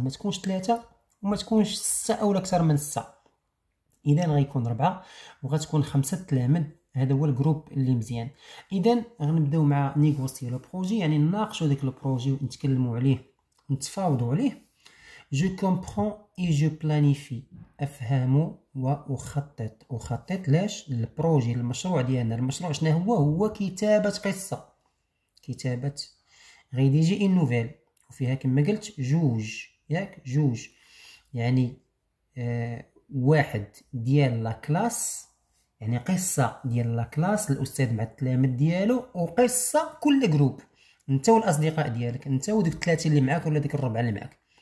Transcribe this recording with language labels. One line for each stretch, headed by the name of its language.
Arabic: ما تكونش 3 وما تكونش 6 او اكثر من 6. اذا غيكون 4 وغتكون 5 تلامذ. هذا هو الجروب اللي مزيان. اذا غنبداو مع نيغوسي لو بروجي يعني نناقشوا ديك لو بروجي ونتكلموا عليه نتفاوضوا عليه.
French: Je comprends et je planifie.
Arabic: أفهم وأخطط. أخطط ليش؟ البروجي المشروع ديالنا. المشروع شنو هو؟ هو كتابة قصة. كتابة غادي يجي إن نوفيل وفيها كما قلت جوج ياك جوج يعني واحد ديال لا كلاس يعني قصة ديال لا كلاس الأستاذ مع التلامذ ديالو وقصة كل جروب أنت والأصدقاء ديالك أنت وديك الثلاثة اللي معاك ولا ديك الربعة اللي معاك.